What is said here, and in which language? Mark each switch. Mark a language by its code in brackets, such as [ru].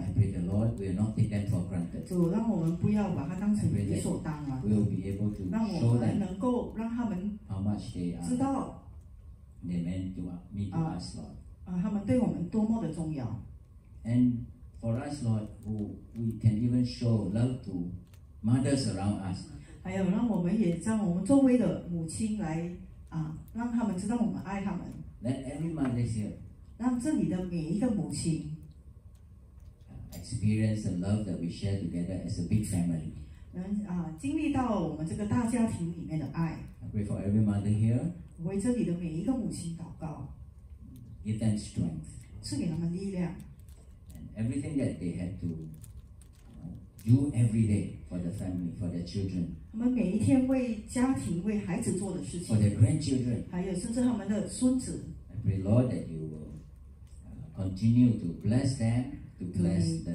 [en] I pray the Lord will not take them for granted. [zh] 主，让我们不要把它当成理所当然。 [en] We will be able to show them. [zh] 让我们能够让他们。 [en] How much they are. [zh] 知道。 [en] They mean to us, Lord. [zh] 啊，他们对我们多么的重要。 [en] And. For us, Lord, who we can even show love to mothers around us. [zh] 还有让我们也让我们周围的母亲来啊，让他们知道我们爱他们。 [en] Let every mother here. [zh] 让这里的每一个母亲 [en] experience the love that we share together as a big family. [zh] 能啊，经历到我们这个大家庭里面的爱。 [en] I pray for every mother here. [zh] 为这里的每一个母亲祷告。 [en] Give them strength. [zh] 赐给他们力量。 [en] Everything that they had to do every day for the family, for their children. [zh] 他们每一天为家庭、为孩子做的事情。 [en] For their grandchildren. [zh] 还有甚至他们的孙子。 [en] I pray, Lord, that you will continue to bless them, to bless the,